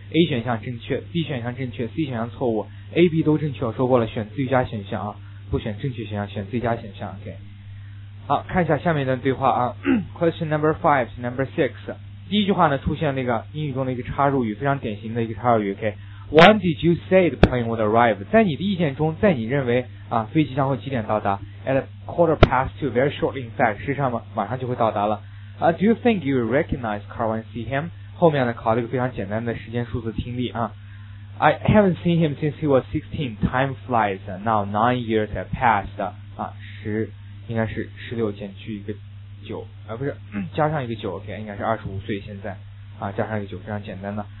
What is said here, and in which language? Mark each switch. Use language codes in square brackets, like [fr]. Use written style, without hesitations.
[zh] A 选项正确 ，B 选项正确 ，C 选项错误 ，A、B 都正确。我说过了，选最佳选项啊，不选正确选项，选最佳选项。 OK， 好，看一下下面一段对话啊， [en] Question number five to number six。 [zh] 第一句话呢，出现那个英语中的一个插入语，非常典型的一个插入语。 [en] OK，When did you say the plane would arrive？ [zh] 在你的意见中，在你认为啊，飞机将会几点到达 [en] ？At a quarter past two, very shortly. In fact， [zh] 事实上嘛，马上就会到达了。 [en] Do you think you recognize Carl when see him? [zh] 后面呢考了一个非常简单的时间数字听力啊。 [en] I haven't seen him since he was 16. Time flies. Now 9 years have passed. [zh] 啊，十应该是16减去一个九，不是加上一个九 ，OK， 应该是25岁现在啊，加上一个九，非常简单的。